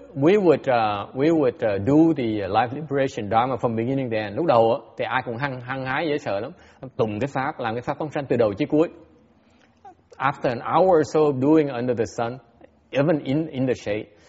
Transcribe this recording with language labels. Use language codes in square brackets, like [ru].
[en] we would do the life liberation dharma from beginning to end. [vi] Lúc đầu thì ai cũng hăng hái dễ sợ lắm, tụng cái pháp, làm cái pháp phóng sanh từ đầu chí cuối. [en] After an hour or so of doing under the sun, even in the shade,